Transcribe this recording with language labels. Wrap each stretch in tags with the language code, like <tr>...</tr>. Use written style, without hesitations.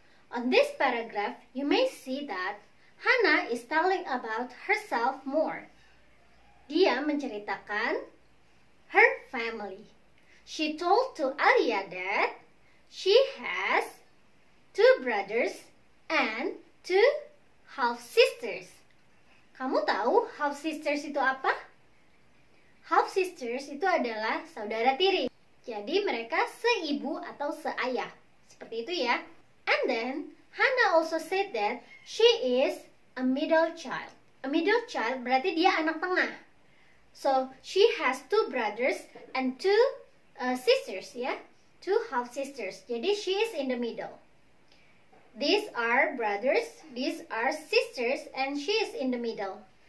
<en>On this paragraph, you may see that Hannah is telling about herself more.</en> <id>Dia menceritakan</id> <en>her family. She told to Alia that she has two brothers and two half-sisters.</en> <id>Kamu tahu half-sisters itu apa? Half-sisters itu adalah saudara tiri. Jadi mereka seibu atau seayah. Seperti itu ya.</id> <en>And then, Hannah also said that she is a middle child. A middle child</en> <id>berarti dia anak tengah.</id> <en>So, she has two brothers and two sisters, ya. Yeah? Two half-sisters. Jadi, she is in the middle. These are brothers, these are sisters, and she is in the middle.</en>